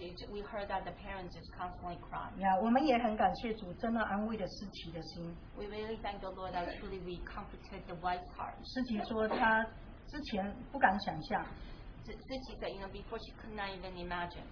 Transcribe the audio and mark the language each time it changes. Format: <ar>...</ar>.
<en>We heard that the parents just constantly cry.</en> <zh>Yeah, 我们也很感谢主真的安慰了思琪的心。</zh> <en>We really thank the Lord that truly we comforted the wife's heart.</en> <zh>思琪说她之前不敢想象。</zh> <en>思琪 said, you know, before she could not even imagine.</en>